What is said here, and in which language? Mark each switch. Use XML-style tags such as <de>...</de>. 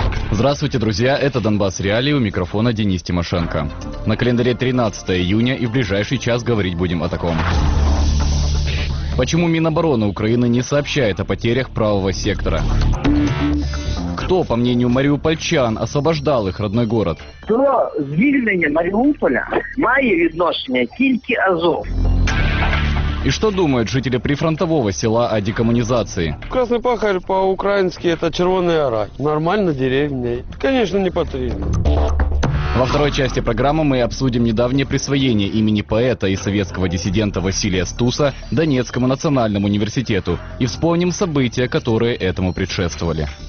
<ru>Здравствуйте, друзья, это «Донбасс Реалии», у микрофона Денис Тимошенко. На календаре 13 июня и в ближайший час говорить будем о таком. Почему Минобороны Украины не сообщает о потерях правого сектора? Кто, по мнению мариупольчан, освобождал их родной город?</ru> <uk>До звільнення Маріуполя має відношення тільки Азов.</uk> <ru>И что думают жители прифронтового села о декоммунизации? Красный пахарь по-украински – это червоный арай. Нормально, деревня. Конечно, не патрина. Во второй части программы мы обсудим недавнее присвоение имени поэта и советского диссидента Василия Стуса Донецкому национальному университету и вспомним события, которые этому предшествовали.</ru>